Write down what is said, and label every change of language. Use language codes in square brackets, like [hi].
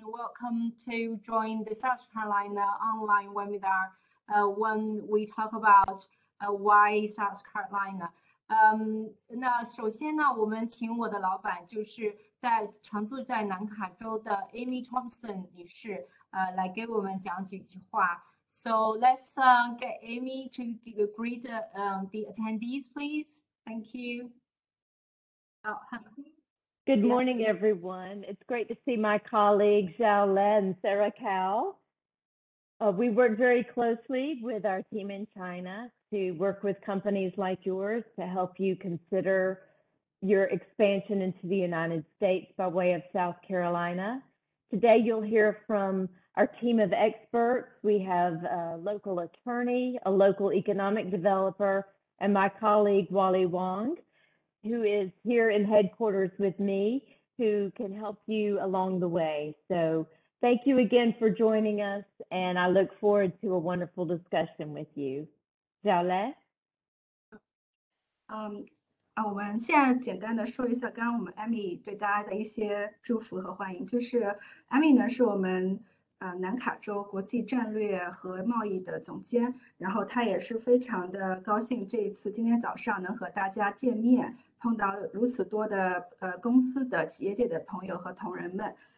[en] Welcome to join the South Carolina online webinar when we talk about why South Carolina. [zh] 那首先呢，我们请我的老板就是。在常住在南卡州的 Amy Thompson 女士，来给我们讲几句话。 [en] So let's get Amy to greet the attendees, please. Thank you. Good morning, everyone. It's great to see my colleagues, Xiaolan and Sarah Cao. We work very closely with our team in China to work with companies like yours to help you consider your expansion into the United States by way of South Carolina. Today, you'll hear from our team of experts. We have a local attorney, a local economic developer, and my colleague, Wally Wong, who is here in headquarters with me, who can help you along the way. So, thank you again for joining us, and I look forward to a wonderful discussion with you. Xiaole? [zh] 我们现在简单的说一下，刚刚我们 Amy 对大家的一些祝福和欢迎。就是 Amy 呢，是我们南卡州国际战略和贸易的总监，然后她也是非常的高兴这一次今天早上能和大家见面，碰到如此多的公司的业界的朋友和同仁们。